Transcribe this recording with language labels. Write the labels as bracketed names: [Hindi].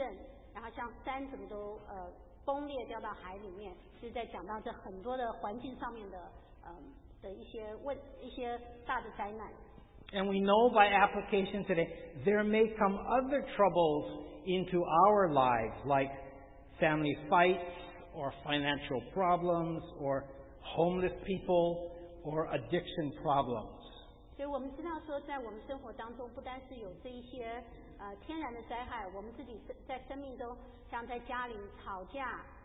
[Chinese] 所以在第二节、第三节讲到这个大环境上面的一些灾难，就像是地震，然后像山怎么都。崩裂掉到海里面，是在讲到这很多的环境上面的一些大的灾难。And [English] we know by application today, there may come other troubles into our lives, like family fights, or financial problems, or homeless people, or addiction problems. [Chinese] 所以我们知道说，在我们生活当中，不单是有这一些天然的灾害，我们自己在生命中，像在家里吵架。